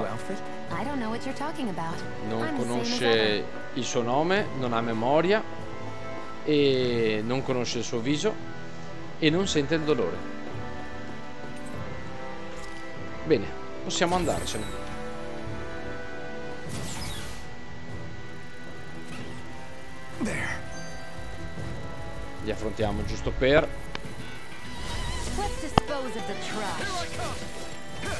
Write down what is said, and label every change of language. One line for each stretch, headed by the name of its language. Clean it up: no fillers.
English: I don't know what you're talking about.
Italian: Non conosce il suo nome, non ha memoria e non conosce il suo viso e non sente il dolore. Bene. Possiamo andarcene.
English: There.
Italian: Li affrontiamo giusto per.
English: Let's dispose of the trash.